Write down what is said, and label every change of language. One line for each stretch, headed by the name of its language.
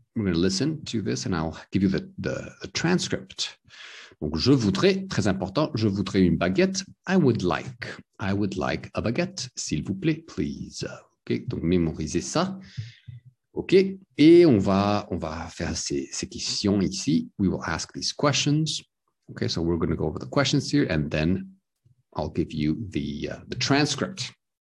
English: I'm going to listen to this and I'll give you the transcript.
French: Donc, je voudrais, très important, je voudrais une baguette.
English: I would like a baguette,
French: s'il vous plaît, please. OK, donc mémorisez ça. OK, et on va faire ces questions ici.
English: We will ask these questions. OK, so we're going to go over the questions here and then I'll give you the transcript.